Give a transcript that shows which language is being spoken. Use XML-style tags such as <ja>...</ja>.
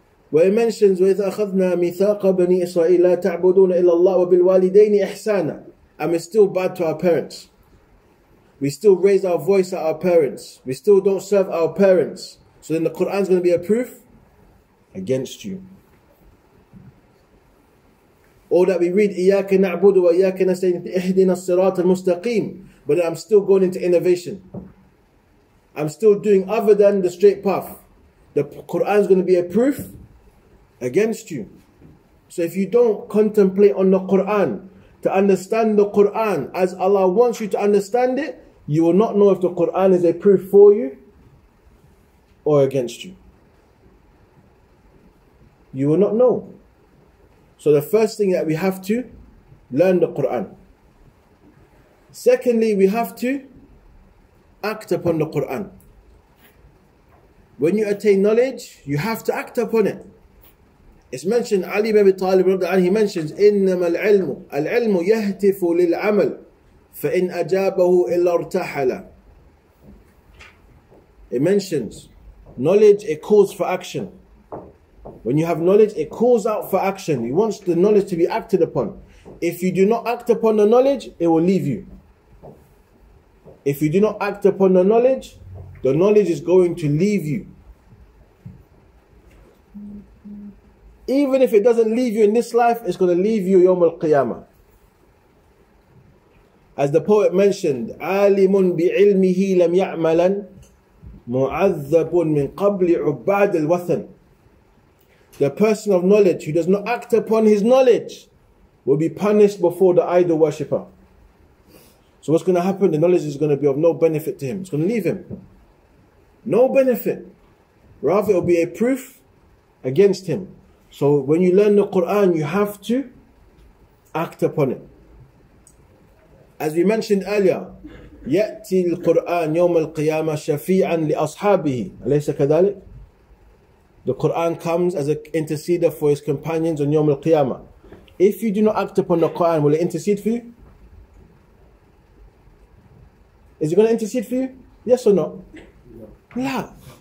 <en>Where it mentions,</en> <ar>وَإِذْ أَخَذْنَا مِثَاقَ بَنِي إِسْرَائِيلَ لَا تَعْبُدُونَ إِلَّا اللَّهَ وَبِالْوَالِدَيْنِ إِحْسَانًا.</ar> <en>And we're still bad to our parents. We still raise our voice at our parents. We still don't serve our parents. So then the Quran's going to be a proof against you. Or that we read,</en> <ar>إِيَّاكَ نَعْبُدُ وَإِيَّاكَ نَسْتَعِينُ إِهْدِنَا الصِّرَاطَ الْمُسْتَقِيمَ.</ar> <en>But then I'm still going into innovation. I'm still doing other than the straight path. The Quran's going to be a proof against you. So if you don't contemplate on the Quran, to understand the Quran as Allah wants you to understand it, you will not know if the Quran is a proof for you or against you. You will not know. So the first thing that we have to learn the Quran. Secondly, we have to act upon the Quran. When you attain knowledge, you have to act upon it. It's mentioned, Ali ibn Abi Talib, he mentions,</en> <ar>إِنَّمَا الْعِلْمُ الْعِلْمُ يَهْتِفُ لِلْعَمَلُ فَإِنْ أَجَابَهُ إِلَّا ارْتَحَلَ.</ar> <en>It mentions, knowledge, it calls for action. When you have knowledge, it calls out for action. He wants the knowledge to be acted upon. If you do not act upon the knowledge, it will leave you. If you do not act upon the knowledge is going to leave you. Even if it doesn't leave you in this life, it's going to leave you yawm al-qiyamah. As the poet mentioned,</en> <ar>عَالِمٌ بِعِلْمِهِ لَمْ يَعْمَلًا مُعَذَّبٌ مِنْ قَبْلِ عُبَّادِ الْوَثَنِ.</ar> <en>The person of knowledge who does not act upon his knowledge will be punished before the idol worshipper. So what's going to happen? The knowledge is going to be of no benefit to him. It's going to leave him. No benefit. Rather, it will be a proof against him. So when you learn the Quran, you have to act upon it. As we mentioned earlier,</en> <ar>يَأْتِي الْقُرْآنِ يَوْمَ الْقِيَامَةِ شَفِيعًا لِأَصْحَابِهِ أَلَيْسَ كَذَلِكَ.</ar> <en>The Quran comes as an interceder for his companions on يَوْمَ الْقِيَامَةِ. If you do not act upon the Quran, will it intercede for you? Is he going to intercede for you? Yes or no? No.</en>